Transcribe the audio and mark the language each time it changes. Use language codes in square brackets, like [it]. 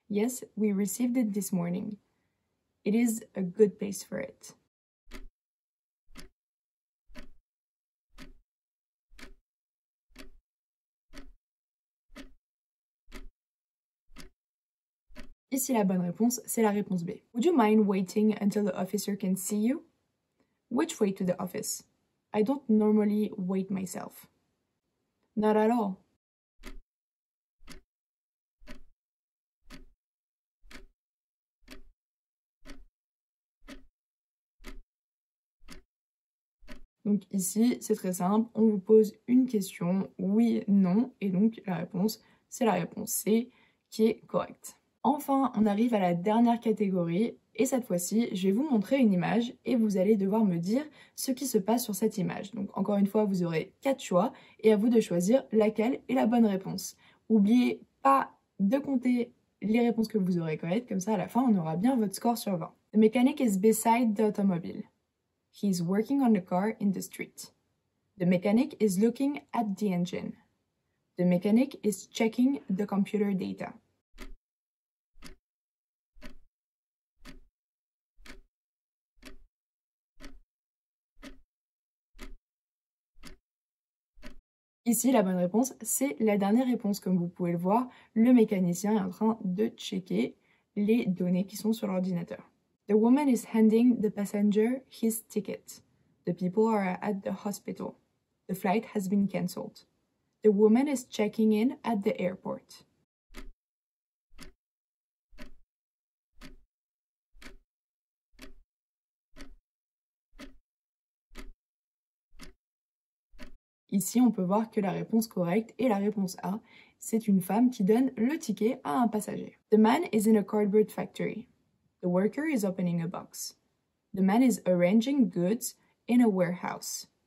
[en] Yes, we received it this morning. It is a good place for it. [fr] Ici, la bonne réponse, c'est la réponse B. [en] Would you mind waiting until the officer can see you? Which way to the office? I don't normally wait myself. Not at all. [fr] Donc ici, c'est très simple, on vous pose une question, oui, non, et donc la réponse, c'est la réponse C, qui est correcte. Enfin, on arrive à la dernière catégorie, et cette fois-ci, je vais vous montrer une image, et vous allez devoir me dire ce qui se passe sur cette image. Donc encore une fois, vous aurez 4 choix, et à vous de choisir laquelle est la bonne réponse. N'oubliez pas de compter les réponses que vous aurez correctes, comme ça à la fin, on aura bien votre score sur 20. [en] The mechanic is beside the automobile. He is working on the car in the street. The mechanic is looking at the engine. The mechanic is checking the computer data. [fr] Ici, la bonne réponse, c'est la dernière réponse. Comme vous pouvez le voir, le mécanicien est en train de checker les données qui sont sur l'ordinateur. [en] The woman is handing the passenger his ticket. The people are at the hospital. The flight has been cancelled. The woman is checking in at the airport. [fr] Ici, on peut voir que la réponse correcte est la réponse A. C'est une femme qui donne le ticket à un passager. [en] The man is in a cardboard factory. The worker is opening a box. The man is arranging goods in a warehouse.